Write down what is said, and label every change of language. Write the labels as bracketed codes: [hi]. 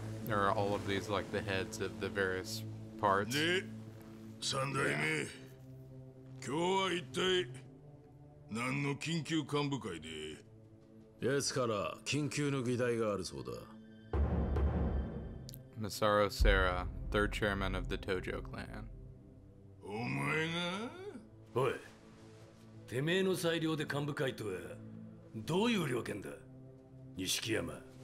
[en] Are all of these like the heads of the various parts? [ja] ね、三代目、今日は一体何の緊急幹部会で？ですから緊急の議題があるそうだ。 [en] Masaru Sara, third chairman of the Tojo clan. [ja] お前が？おい、てめえの裁量で幹部会とはどういう了見だ、錦山？